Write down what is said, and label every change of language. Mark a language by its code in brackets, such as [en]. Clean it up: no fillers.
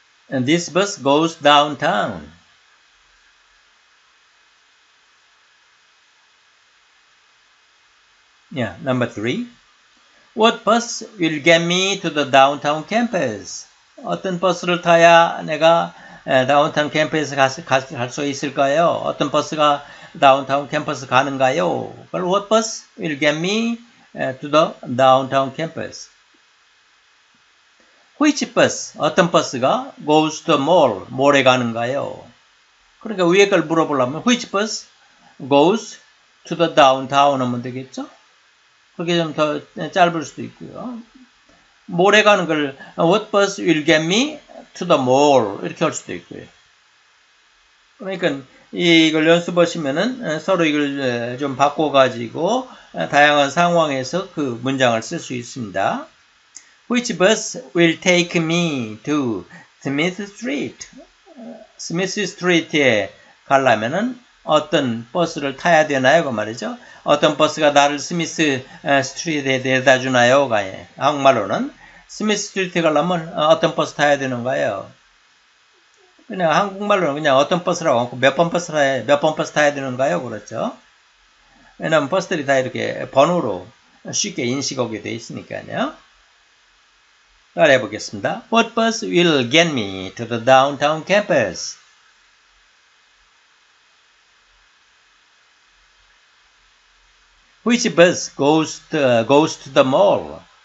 [en] And this bus goes downtown. Yeah, number three. What bus will get me to the downtown campus? [ko] 어떤 버스를 타야 내가 다운타운 캠퍼스에 갈 수 있을까요? 어떤 버스가 다운타운 캠퍼스 가는가요? [en] Well, what bus will get me to the downtown campus? Which bus, [ko] 어떤 버스가 [en] goes to the mall, [ko] 몰에 가는가요? 그러니까 위에 걸 물어보려면 [en] which bus goes to the downtown [ko] 하면 되겠죠? 그게 좀 더 짧을 수도 있고요. 몰에 가는 걸 [en] What bus will get me to the mall? [ko] 이렇게 할 수도 있고요. 그러니까 이걸 연습하시면은 서로 이걸 좀 바꿔가지고 다양한 상황에서 그 문장을 쓸 수 있습니다. [en] Which bus will take me to Smith Street? [ko] Smith Street에 가려면은 어떤 버스를 타야 되나요? 그 말이죠. 어떤 버스가 나를 스미스 스트리트에 데려다 주나요? 한국말로는 스미스 스트리트 가려면 어떤 버스 타야 되는가요? 그냥 한국말로는 그냥 어떤 버스라고 하고 몇 번 버스 타야 되는가요? 그렇죠. 왜냐면 버스들이 다 이렇게 번호로 쉽게 인식하게 되어 있으니까요. 따라해 보겠습니다. [en] What bus will get me to the downtown campus? Which bus goes to the mall?